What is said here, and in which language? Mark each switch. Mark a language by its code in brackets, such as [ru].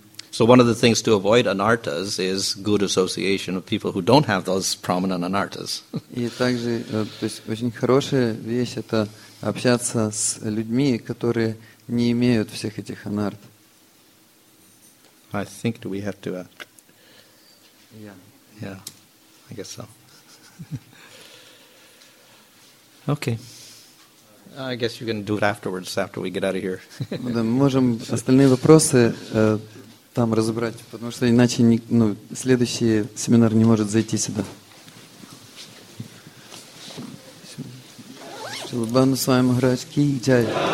[en] So one of the things to avoid anartas is good association of people who don't have those prominent anartas. [ru] И также, то есть очень хорошая вещь это общаться с людьми, которые не имеют всех этих анарт. [en] I think we have to. Yeah, I guess so. Okay. I guess you can do it afterwards after we get out of here. [ru] Да, можем остальные вопросы там разобрать, потому что иначе следующий семинар не может зайти сюда. Шилбану с вами Махарадж ки джай.